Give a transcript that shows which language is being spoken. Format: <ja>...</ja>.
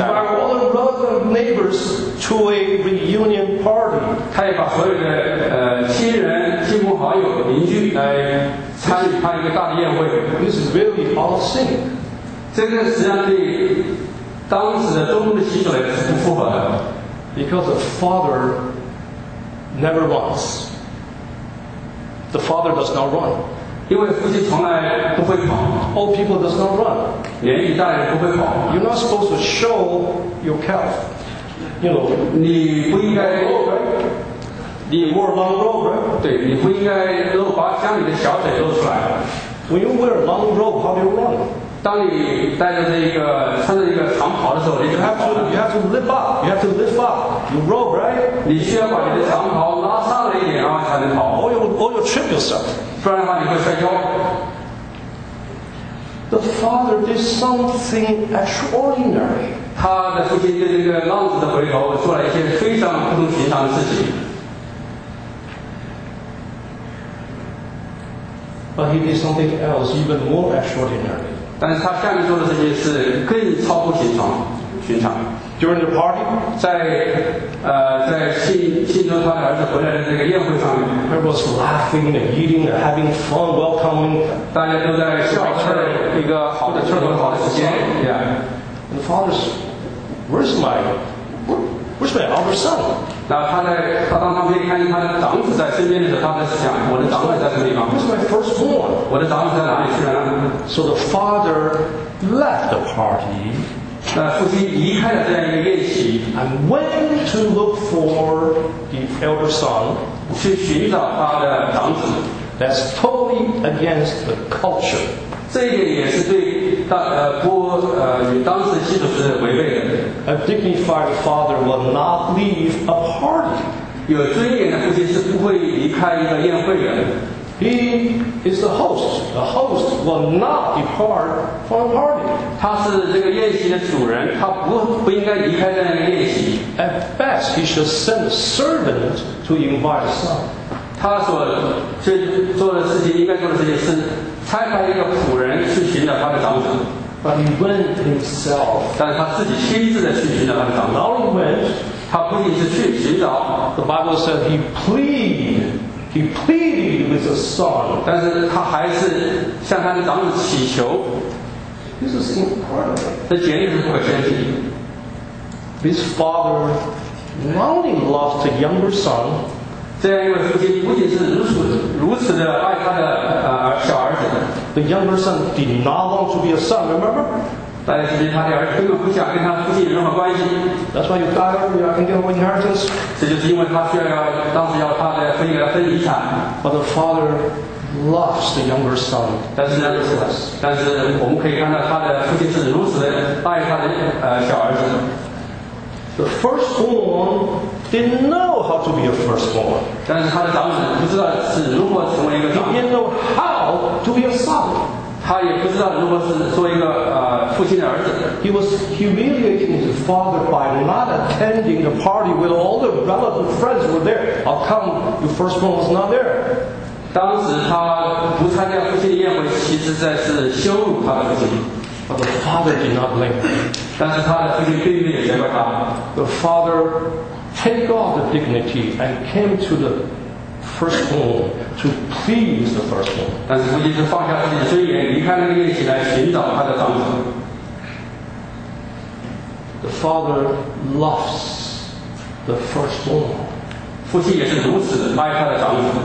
<en>Invite all the relatives and neighbors to a reunion party.</en> <zh>他也把所有的亲人、亲朋好友、邻居来参与他一个大的宴会。</zh> <en>This is really all sin.</en> <zh>这个实际上对当时的中东的习俗来是不符合的。</zh> <en>Because the father does not run.</en> <zh>因为父亲从来不会跑。</zh> <en>Old people does not run.</en> <zh>年纪大人不会跑。</zh> <en>You're not supposed to show your calf. You know,</en> <zh>你不应该露。你</zh> <en>wear long robe.</en> <zh>对，你不应该露把家里的小腿露出来。</zh> <en>When you wear long robe, how do you run?</en> <zh>当你带着这个穿着一个长袍的时候，你就</zh> <en>you have to lift up. You have to lift up your robe, right?</en> <zh>你需要把你的长袍拉上了一点，然后才能跑。</zh> <en>Or you trip yourself.</en> <zh>不然的话你会摔跤。</zh> <en>The father did something extraordinary.</en> <zh>他的父亲对这个浪子的回头做了一些非常不同寻常的事情。</zh> <en>But he did something else even more extraordinary.</en> <zh>但是他下面做的事情是更超乎寻常。</zh> <en>During the party,</en> <zh>在庆祝他的儿子回来的这个宴会上面</zh> <en>，there was laughing and eating and having fun, welcoming.</en> <zh>大家都在笑，一个好的庆祝好的时间。</zh> <en>Yeah. And the father says, "Where's my other son?"</en> <zh>那他当旁边看见他的长子在身边的时候，他们是想，我的长子在什么地方</zh> <en>？Where's my firstborn?</en> <zh>我的长子在哪里去了</zh> <en>？So the father left the party.</en> <zh>父亲离开了这样一个宴席</zh> <en>，and went to look for the elder son</en> <zh>去寻找他的长子。</zh> <en>That's totally against the culture.</en> <zh>这一点也是对与当时的习俗是违背的。</zh> <en>A dignified father will not leave a party.</en> <zh>有尊严的父亲是不会离开一个宴会的。</zh> <en>He is the host. The host will not depart from a party.</en> <zh>他是这个宴席的主人，他不应该离开这样一个宴席。</zh> <en>At best, he should send a servant to invite some.</en> <zh>他所做的事情，应该做的事情是差派一个仆人去寻找他的长子。</zh> <en>But he went himself.</en> <zh>但是他自己亲自的去寻找他的长子。</zh> <en>Not only went,</en> <zh>他不仅是去寻找。</zh> <en>The Bible says he pleaded. He He pleaded with the son.</en> <zh>但是他还是向他的长子祈求。</zh> <en>This is incredible.</en> <zh>这简直是不可相信。</zh> <en>This father not only lost a younger son.</en> <zh>这样一位父亲不仅是如此的爱他的小儿子。</zh> <en>The younger son did not want to be a son. Remember?</en> <zh>大家记得他的儿子根本不想跟他父亲有任何关系。</zh> <en>That's why you die early and get your inheritance.</en> <zh>这就是因为他需要当时要他的父亲给他分遗产。</zh> <en>But the father. Loves the younger son.</en> <zh>但是我们可以看到他的父亲是如此的爱他的小儿子。</zh> <en>The firstborn didn't know how to be a firstborn.</en> <zh>但是他的长子不知道是如何成为一个长子。</zh> <en>He didn't know how to be a son.</en> <zh>他也不知道如何是做一个父亲的儿子。</zh> <en>He was humiliating his father by not attending the party with all the relevant friends who were there. How come your firstborn was not there?</en> <zh>当时他不参加父亲的宴会，其实在是羞辱他的父亲。</zh> <en>But the father did not blame him.</en> <zh>但是他的父亲并没有责怪他。</zh> <en>The father take off the dignity and came to the firstborn to please the firstborn.</en> <zh>但是父亲是放下自己的尊严，离开那个宴席来寻找他的长子。</zh> <en>The father loves the firstborn.</en> <zh>父亲也是如此爱他的长子。</zh>